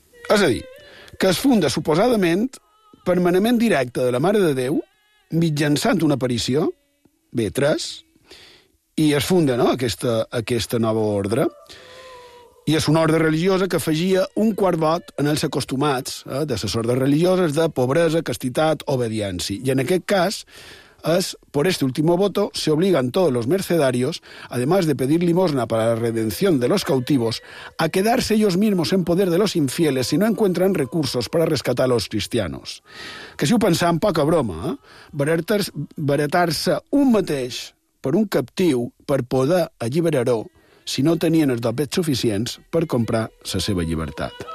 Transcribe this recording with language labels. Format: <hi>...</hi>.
<ca>És a dir, que es funda suposadament per manament directe de la Mare de Déu mitjançant una aparició, vetres, i es funda, no?, aquesta nova ordre. I és una ordre religiosa que afegia un quart vot en els acostumats de les ordres religioses de pobresa, castitat, obediència. I en aquest cas, és,</ca> <es>por este último voto, se obligan todos los mercedarios, además de pedir limosna para la redención de los cautivos, a quedarse ellos mismos en poder de los infieles si no encuentran recursos para rescatar a los cristianos.</es> <ca>Que si ho pensam, poca broma, baratar-se un mateix per un captiu per poder alliberar-ho si no tenien els dobbets suficients per comprar la seva llibertat.</ca>